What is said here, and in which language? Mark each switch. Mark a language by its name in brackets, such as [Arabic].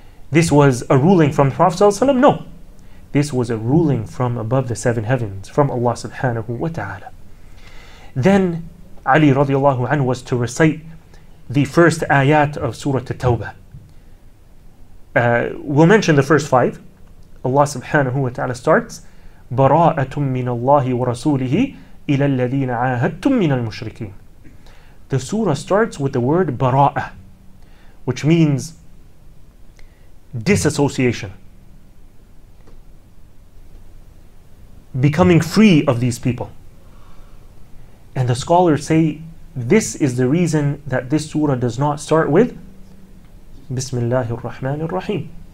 [English] This was a ruling from the Prophet sallallahu alaihi wasallam? No. This was a ruling from above the seven heavens, from Allah subhanahu wa ta'ala. Then Ali radiallahu anhu was to recite the first ayat of Surah At-Tawbah. We'll mention the first five. Allah subhanahu wa ta'ala starts, [Arabic] بَرَاءَةٌ مِّنَ اللَّهِ وَرَسُولِهِ إِلَى الَّذِينَ عَاهَدْتُم مِّنَ الْمُشْرِكِينَ. [English] The surah starts with the word bara'a, which means disassociation, becoming free of these people. And the scholars say this is the reason that this surah does not start with Bismillahir Rahmanir Rahim.